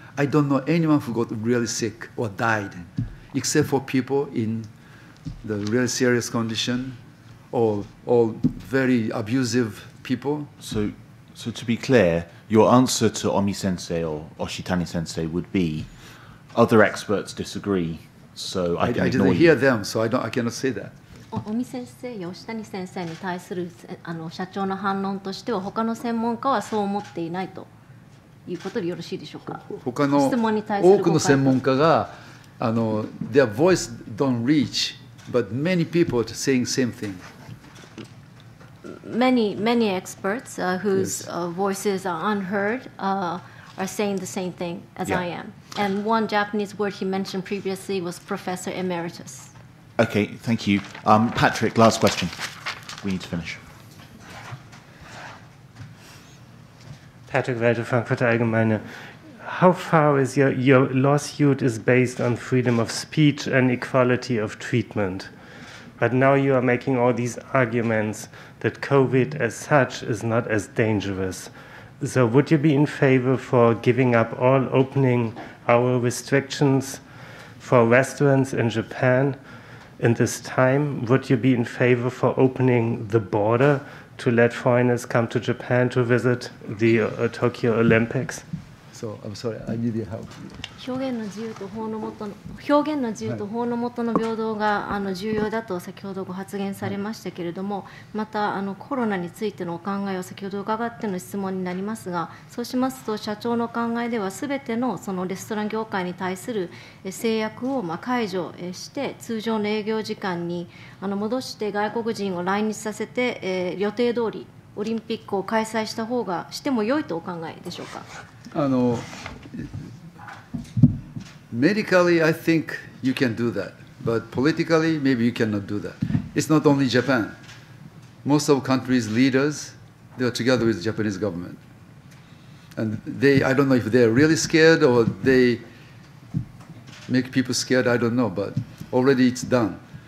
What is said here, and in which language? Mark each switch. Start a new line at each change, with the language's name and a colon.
English: I don't know anyone who got really sick or died, except for people in the really serious condition or very abusive people. So to be clear, your answer to Omi-sensei or Oshitani-sensei would be other experts disagree, so I can I didn't ignore hear you. Them, so I cannot say that.
Japanese: オミ先生、吉谷先生に対するあの社長の反論としては他の専門家はそう思っていないということでよろしいでしょうか。他の多くの専門家があの
English: their voice don't reach, but many people are saying same thing. many experts whose voices are unheard are saying the same thing as I am. And one Japanese word he mentioned previously was Professor Emeritus. Okay, thank you. Patrick, last question. We need to finish. Patrick Welte, Frankfurter Allgemeine. How far is your lawsuit is based on freedom of speech and equality of treatment? But now you are making all these arguments that COVID as such is not as dangerous. So would you be in favor for giving up all opening our restrictions for restaurants in Japan in this time? Would you be in favor for opening the border to let foreigners come to Japan to visit the Tokyo Olympics? So, I'm sorry, I need your help.
Japanese: 表現の自由と法の下の平等が重要だと先ほどご発言されましたけれども、またコロナについてのお考えを先ほど伺っての質問になりますが、そうしますと社長の考えでは全てのそのレストラン業界に対する制約を解除して通常の営業時間に戻して外国人を来日させて予定通りオリンピックを開催した方がしても良いとお考えでしょうか。
English: Medically, I think you can do that, but politically, maybe you cannot do that. It's not only Japan. Most of countries' leaders, they are together with the Japanese government. And they, I don't know if they're really scared or they make people scared, I don't know, but already it's done.